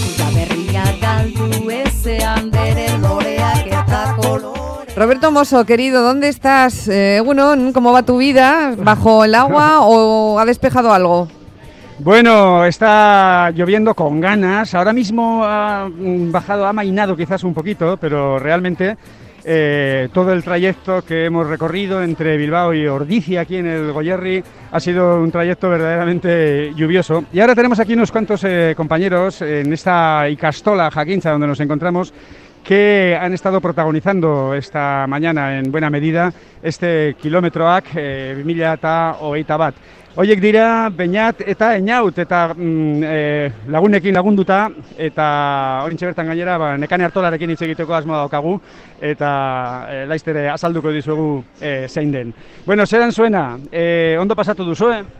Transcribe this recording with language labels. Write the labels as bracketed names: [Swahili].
[Basque] Gaberria galdu ezean, bere loreak eta kolore. [Spanish] Roberto Mosso, querido, ¿dónde estás? [Basque] Egunon, [Spanish] ¿cómo va tu vida? ¿Bajo el agua o ha despejado algo? Bueno, está lloviendo con ganas. Ahora mismo ha bajado, ha mainado quizás un poquito, pero realmente todo el trayecto que hemos recorrido entre Bilbao y Ordizia, aquí en el Goierri, ha sido un trayecto verdaderamente lluvioso. Y ahora tenemos aquí unos cuantos compañeros en esta Ikastola Jakintza donde nos encontramos, que han estado protagonizando esta mañana en buena medida este kilómetroak 2021. [Basque] Hoiek dira Beñat eta Eñaut eta lagunekin lagunduta eta horintxe bertan gainera ba, Nekane Artolarekin hitz egiteko asmoa daukagu eta laizte ere azalduko dizugu zein den. Bueno, zeran zuena, ondo pasatu duzu, eh?